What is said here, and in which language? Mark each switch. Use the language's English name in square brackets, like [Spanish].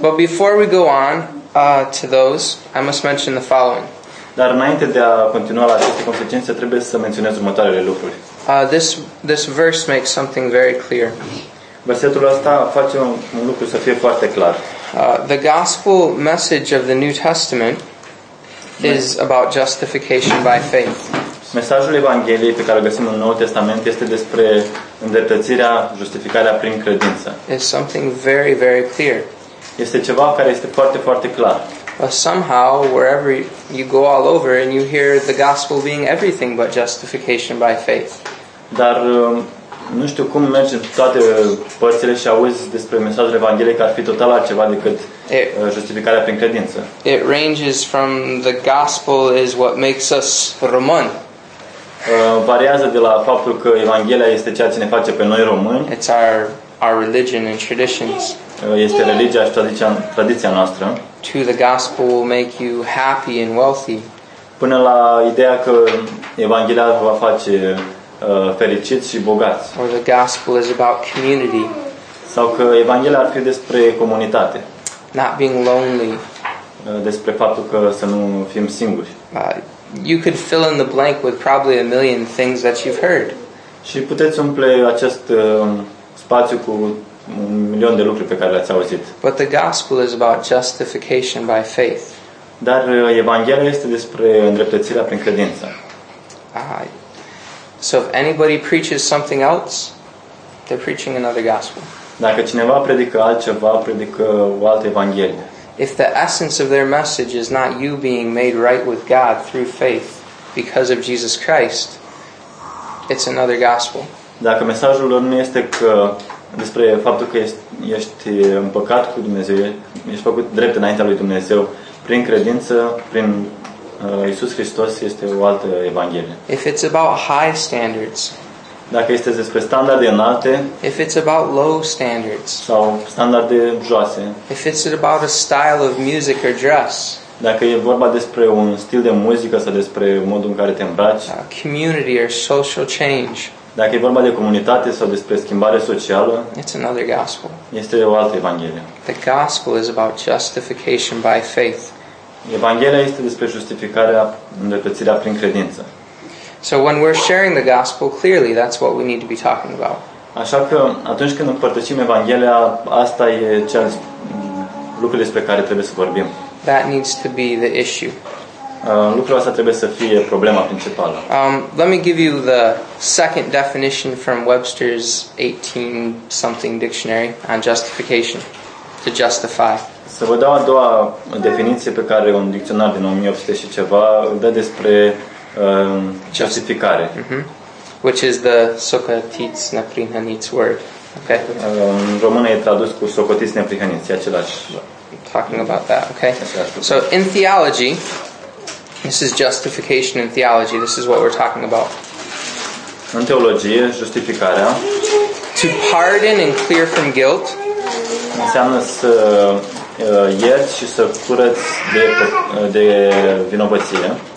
[English] But before we go on, to those, I must mention the following. [Romanian] Dar înainte de a continua la aceste consecințe, trebuie să menționez următoarele lucruri. [English] This verse makes something very clear. [Romanian] Versetul ăsta face un lucru să fie foarte clar. [English] The gospel message of the New Testament is about justification by faith. [Romanian] Mesajul Evangheliei pe care o găsim în Noul Testament este despre îndreptățirea, justificarea prin credință. [English] It's something very, very clear. [Romanian] Este ceva care este foarte, foarte clar. [English] But somehow, wherever you go all over and you hear the gospel being everything but justification by faith. [Romanian] dar nu știu cum mergi în toate părțile și auzi despre mesajul Evangheliei că ar fi total altceva decât justificarea prin credință. [English] It ranges from the gospel is what makes us român. [Romanian] Variază de la faptul că Evanghelia este ceea ce ne face pe noi români. [English] It's our religion and traditions. [Romanian] Este religia și tradiția noastră. [English] To the gospel will make you happy and wealthy. [Romanian] Până la ideea că Evanghelia vă va face fericiți și bogați. [English] Or the gospel is about community. [Romanian] Sau că Evanghelia ar fi despre comunitate. [English] Not being lonely. [Romanian] Despre faptul că să nu fim singuri. [English] You could fill in the blank with probably a million things that you've heard. [Romanian] Și puteți umple acest spațiu cu un milion de lucruri pe care le-ați auzit. [English] But the gospel is about justification by faith. [Romanian] Dar Evanghelia este despre îndreptățirea prin credință. [English] So if anybody preaches something else, they're preaching another gospel. [Romanian] Dacă cineva predică altceva, predică o altă evanghelie. [English] If the essence of their message is not you being made right with God through faith because of Jesus Christ, it's another gospel. [Romanian] Dacă mesajul lor nu este că despre faptul că ești împăcat cu Dumnezeu, ești făcut drept înaintea lui Dumnezeu prin credință, prin Iisus Hristos, este o altă evanghelie. [English] If it's about high standards, [Romanian] dacă este despre standarde înalte, [English] if it's about low standards, [Romanian] sau standarde joase, [English] if it's about a style of music or dress, [Romanian] dacă e vorba despre un stil de muzică sau despre modul în care te îmbraci, [English] community or social change, [Romanian] dacă e vorba de comunitate sau despre schimbare socială, [English] it's another gospel. [Romanian] Este o altă evanghelie. [English] The gospel is about justification by faith. [Romanian] Evanghelia este despre justificarea, îndreptățirea prin credință. [English] So when we're sharing the gospel clearly, that's what we need to be talking about. [Romanian] Așa că atunci când împărtășim Evanghelia, asta e cel lucru despre care trebuie să vorbim. [English] That needs to be the issue. [Romanian] Lucrul ăsta trebuie să fie problema principală. [English] Let me give you the second definition from Webster's 18 something dictionary on justification. To justify. [Romanian] Să vă dau a doua definiție pe care un dicționar din 1800 și ceva dă despre justificare. [English] Which is the [Romanian] socotiți neprihăniți [English] word. Okay. [Romanian] În română e tradus cu socotiți neprihăniți, același. [English] Talking about that, okay. So in theology, this is justification in theology. This is what we're talking about. [Romanian] În teologie, justificarea. [English] To pardon and clear from guilt. [Romanian] Înseamnă să ierți și să curăți de vinovăție.